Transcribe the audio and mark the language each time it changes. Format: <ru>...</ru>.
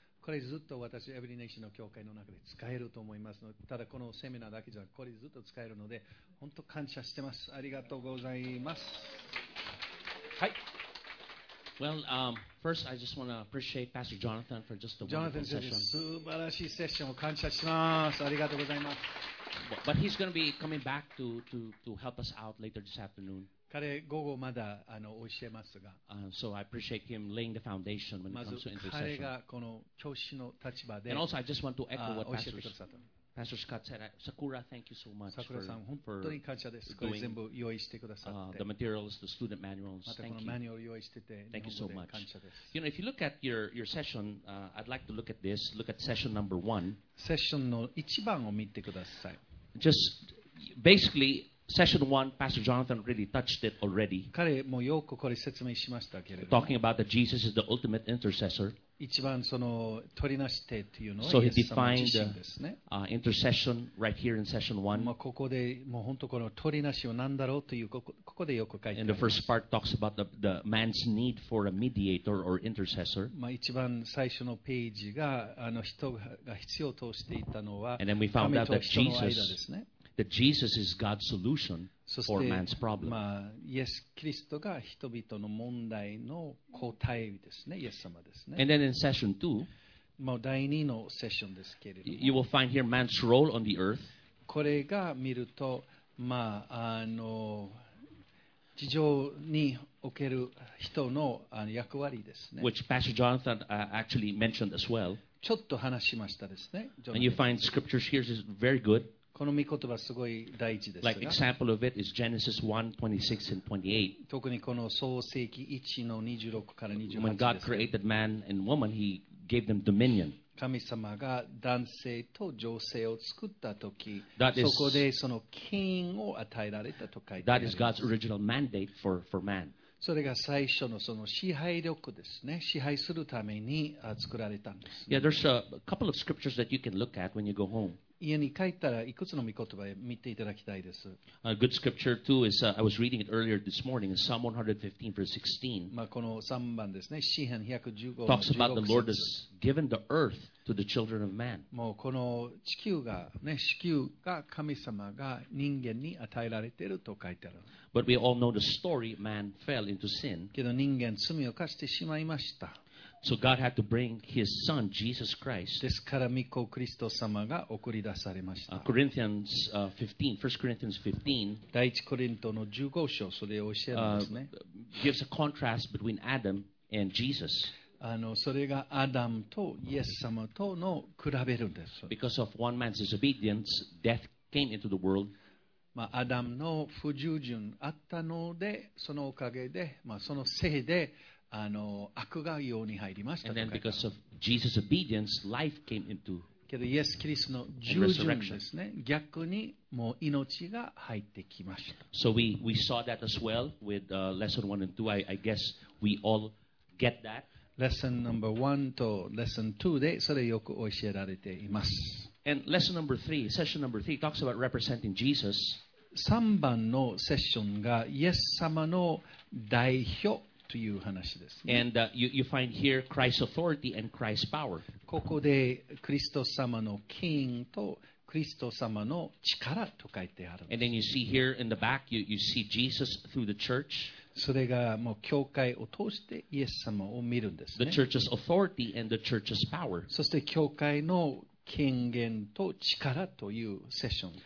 <ja>これずっと私、エブリネーションの教会の中で使えると思いますので、ただこのセミナーだけじゃなくこれずっと使えるので、本当感謝してます。ありがとうございます。はい。</ja> <en>Well,、first I just want to appreciate Pastor Jonathan for just the wonderful session.</en> <ja>Jonathan 先生、素晴らしいセッションを感謝します。ありがとうございます。</ja> <en>But he's going to be coming back to help us out later this afternoon.</en> <ja>彼午後まだ教えますが、</ja> <en>so、I appreciate him laying the foundation when it comes to intercession.</en> <ja>まず彼がこの教師の立場で、</ja> <en>and also I just want to echo what Pastor Scott said. Sakura, thank you so much for doing.</en> <ja>本当に感謝です。これ全部用意してくださって、</ja> <en>the materials, the student manuals.</en> <ja>またこのマニュアル用意してて、</ja> <en>thank you so much.</en> <ja>感謝です。</ja> <en>You know, if you look at your session,、I'd like to look at this. Look at session number one.</en> <ja>セッションの一番を見てください。</ja> <en>Just basically. Session 1, Pastor Jonathan really touched it already.</en> <ja>彼もよくこれ説明しましたけれども。</ja> <en>Talking about that Jesus is the ultimate intercessor.</en> <ja>一番その取りなしてというのは、</ja> <en>so、</en> <ja>イエス様自身ですね。</ja> <en>So he defined intercession right here in session 1.</en> <ja>まあここでもう本当この取りなしは何だろうという、ここでよく書いてあります。</ja> <en>And the first part talks about the man's need for a mediator or intercessor.</en> <ja>まあ一番最初のページが人が必要としていたのは、</ja> <en>And then we found out that Jesus. That Jesus is God's solution for man's problem.</en> <ja>まあ、イエス・キリストが人々の問題の答えですね。イエス様ですね。</ja> <en>And then in session two,</en> <ja>もう第2のセッションですけれども、</ja> <en>you will find here man's role on the earth.</en> <ja>これが見ると、まあ、地上における人の役割ですね。</ja> <en>Which Pastor Jonathan actually mentioned as well.</en> <ja>ちょっと話しましたですね。</ja> <en>And you find scriptures here is very good.</en> <ja>この御言葉はすごい大事ですが、</ja> <en>like example of it is Genesis 1:26-28.</en> <ja>特にこの創世記1:26-28。</ja> <en>When God created man and woman, He gave them dominion.</en> <ja>神様が男性と女性を作った時、そこでその権威を与えられたと書いてあります。</ja> <en>That is God's original mandate for man.</en> <ja>それが最初のその支配力ですね。支配するために作られたんです、ね。</ja> <en>Yeah, there's a couple of scriptures that you can look at when you go home.</en> <ja>家に帰ったらいくつの御言葉を見ていただきたいです。</ja> <en>A good scripture too is、I was reading it earlier this morning in Psalm 115:16.</en> <ja>まあこの3番ですね、詩編115:16.</ja> <en>Talks about the Lord has given the earth to the children of man.</en> <ja>もうこの地球がね、地球が神様が人間に与えられていると書いてある。</ja> <en>But we all know the story. Man fell into sin.</en> <ja>けど人間罪を犯してしまいました。</ja> <en>So God had to bring His Son, Jesus Christ.</en> <ja>ですから御子キリスト様が送り出されました。</ja> <en>Corinthians 15, 1 Corinthians 15.</en> <ja>第一コリントの15章、それを教えますね。</ja> <en>Gives a contrast between Adam and Jesus.</en> <ja>それがアダムとイエス様との比べるんです。</ja> <en>Because of one man's disobedience, death came into the world.</en> <ja>まあ、アダムの不従順あったので、そのおかげで、まあ、そのせいで、悪が世に入りました。</ja> <en>And then because of Jesus' obedience, life came into resurrection.</en> <ja>けどイエス・キリストの従順ですね。逆にもう命が入ってきました。</ja> <en>So we saw that as well with lesson 1 and 2. I guess we all get that. Lesson number one</en> <ja>とlesson twoでそれよく教えられています。</ja> <en>And lesson number three, session number three talks about representing Jesus.</en> <ja>三番のセッションがイエス様の代表という話です、ね。</ja> <en>And you find here Christ's authority and Christ's power.</en> <ja>ここでクリスト様の権威とクリスト様の力と書いてあるんです。</ja> <en>And then you see here in the back, you see Jesus through the church.</en> <ja>それがもう教会を通してイエス様を見るんですね。</ja> <en>The church's authority and the church's power.</en> <ja>そして教会の権限と力というセッション。</ja>